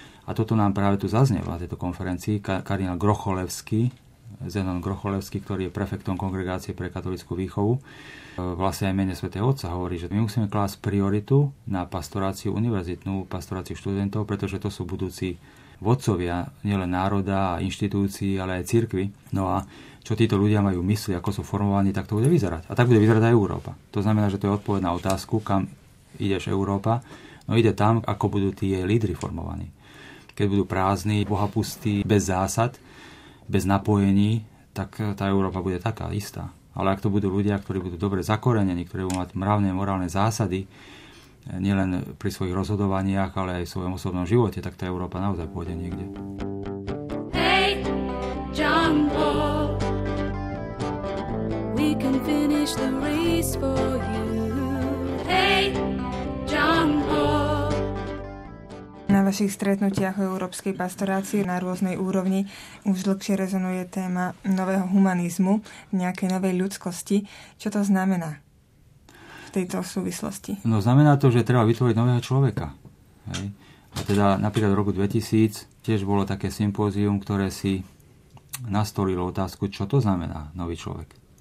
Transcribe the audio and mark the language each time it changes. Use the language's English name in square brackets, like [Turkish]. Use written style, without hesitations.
[Slovak] A toto nám práve tu zaznelo na tejto konferencii. Kardinál Grocholevský, Zenon Grocholevský, ktorý je prefektom Kongregácie pre katolickú výchovu, vlastne aj mene svätého otca hovorí, že my musíme klásť prioritu na pastoráciu univerzitnú, pastoráciu študentov, pretože to sú budúci vodcovia nielen národa a inštitúcií, ale aj cirkvi. No a čo títo ľudia majú mysli, ako sú formovaní, tak to bude vyzerať. A tak bude vyzerať aj Európa. To znamená, že to je odpoveď na otázku, kam ideš Európa. No ide tam, ako budú tie lídri formovaní. Keď budú prázdni, bohapustí, bez zásad, bez napojení, tak tá Európa bude taká istá. Ale ak to budú ľudia, ktorí budú dobre zakorenení, ktorí budú mať mravné, morálne zásady, nielen pri svojich rozhodovaniach, ale aj v svojom osobnom živote, tak tá Európa naozaj pôjde niekde. [English] Hey, John Paul, we can finish the race for you. Hey, John Paul. [Slovak] Na vašich stretnutiach o európskej pastorácii na rôznej úrovni už dlhšie rezonuje téma nového humanizmu, nejakej novej ľudskosti. Čo to znamená v tejto súvislosti? No znamená to, že treba vytvoriť nového človeka. Hej. A teda napríklad v roku 2000 tiež bolo také sympózium, ktoré si nastolilo otázku, čo to znamená nový človek.